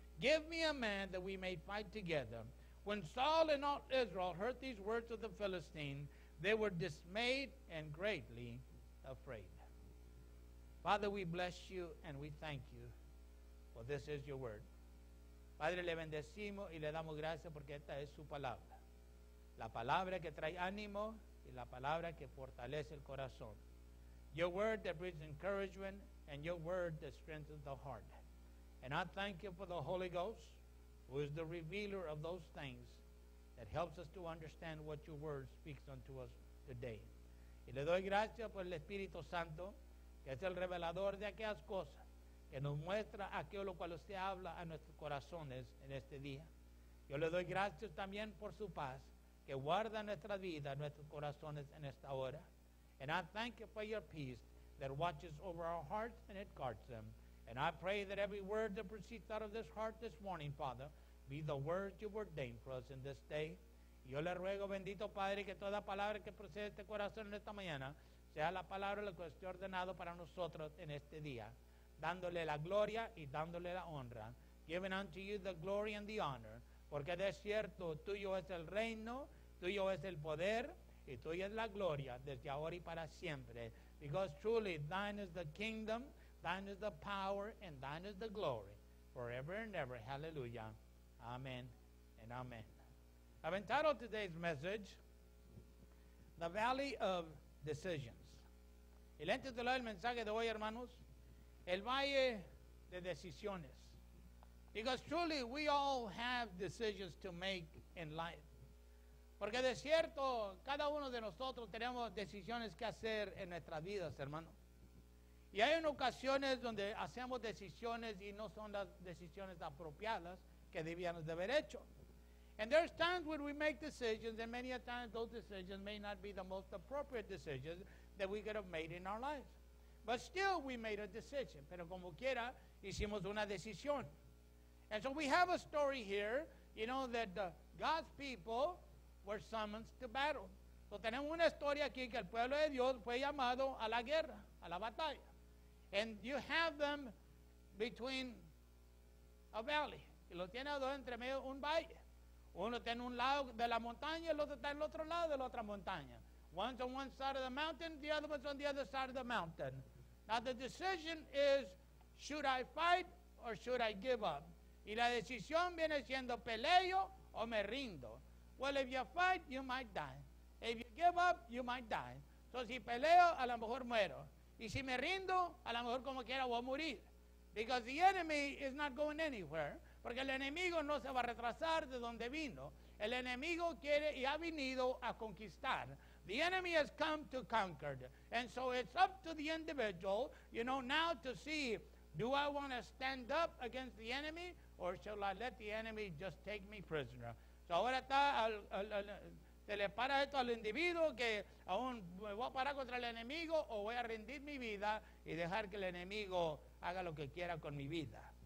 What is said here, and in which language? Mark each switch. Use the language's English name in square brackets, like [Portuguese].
[English] Give me a man that we may fight together. When Saul and all Israel heard these words of the Philistine, they were dismayed and greatly afraid. Father, we bless you and we thank you, for this is your word. [Spanish] Padre, le bendecimos y le damos gracias porque esta es su palabra. La palabra que trae ánimo y la palabra que fortalece el corazón. [English] Your word that brings encouragement and your word that strengthens the heart. And I thank you for the Holy Ghost, who is the revealer of those things that helps us to understand what your word speaks unto us today. [Spanish] Y le doy gracias por el Espíritu Santo, que es el revelador de aquellas cosas, que nos muestra aquello cual usted habla a nuestros corazones en este día. Yo le doy gracias también por su paz, que guarda nuestra vida, nuestros corazones en esta hora. [English] And I thank you for your peace that watches over our hearts and it guards them. And I pray that every word that proceeds out of this heart this morning, Father, be the word you've ordained for us in this day. [Spanish] Yo le ruego, bendito Padre, que toda palabra que procede de este corazón en esta mañana sea la palabra lo que esté ordenado para nosotros en este día, dándole la gloria y dándole la honra. [English] Giving unto you the glory and the honor, [Spanish] porque de cierto tuyo es el reino, tuyo es el poder, y tuyo es la gloria desde ahora y para siempre. [English] Because truly thine is the kingdom, thine is the power, and thine is the glory, forever and ever. Hallelujah. Amen and amen. I've entitled today's message, The Valley of Decisions. [Spanish] El entitulado del mensaje de hoy, hermanos, el valle de decisiones. [English] Because truly we all have decisions to make in life. [Spanish] Porque de cierto, cada uno de nosotros tenemos decisiones que hacer en nuestras vidas, hermano. Y hay en ocasiones donde hacemos decisiones y no son las decisiones apropiadas que debíamos de haber hecho. [English] And there's times when we make decisions, and many a times those decisions may not be the most appropriate decisions that we could have made in our lives. But still, we made a decision. [Spanish] Pero como quiera, hicimos una decisión. [English] And so we have a story here, you know, that God's people were summoned to battle. [Spanish] So tenemos una historia aquí que el pueblo de Dios fue llamado a la guerra, a la batalla. [English] And you have them between a valley. [Spanish] Y lo tiene a dos entre medio un valle. Uno está en un lado de la montaña, el otro está en el otro lado de la otra montaña. [English] One's on one side of the mountain, the other one's on the other side of the mountain. Now the decision is, should I fight or should I give up? [Spanish] Y la decisión viene siendo, ¿peleo o me rindo? [English] Well, if you fight, you might die. If you give up, you might die. [Spanish] So si peleo, a lo mejor muero. Y si me rindo, a lo mejor como quiera voy a morir. [English] Because the enemy is not going anywhere. [Spanish] Porque el enemigo no se va a retrasar de donde vino. El enemigo quiere y ha venido a conquistar. [English] The enemy has come to conquer. And so it's up to the individual, you know, now to see, do I want to stand up against the enemy or shall I let the enemy just take me prisoner? [Spanish] So ahora está, se le para esto al individuo que aún me voy a parar contra el enemigo o voy a rendir mi vida y dejar que el enemigo haga lo que quiera con mi vida.